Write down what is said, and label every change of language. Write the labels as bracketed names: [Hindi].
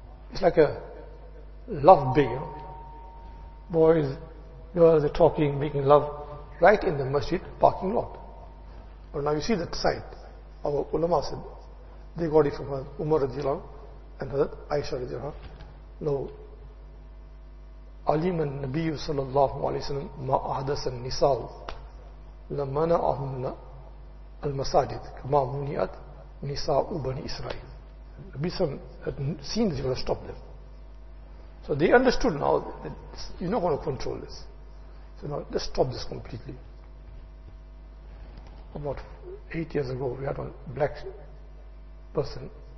[English] It's like a love bay, you know. Boys, girls are talking, making love, right in the masjid parking lot. But now you see that sight. Our ulama said, they got it from Umar radiallahu and Hazrat Aisha radiallahu. No. [Arabic] علم النبي صلى الله عليه وسلم ما أحدث النساء لمنعهن المساجد كما منعت نساء بني إسرائيل. [English] Nabi had seen that he would stop them. So they understood now that you're not going to control this. So now let's stop this completely. About 8 years ago, we had a black person.